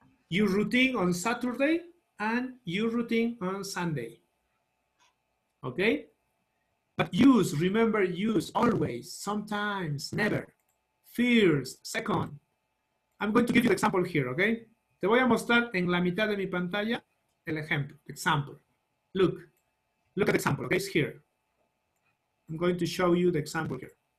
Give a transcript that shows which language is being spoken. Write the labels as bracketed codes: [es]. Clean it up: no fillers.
[en] Your routine on Saturday and your routine on Sunday. Okay? But use, remember, use always, sometimes, never. First, second. I'm going to give you an example here, okay? [es] Te voy a mostrar en la mitad de mi pantalla el ejemplo, example. [en] Look. Look at the example, okay? It's here. I'm going to show you the example here.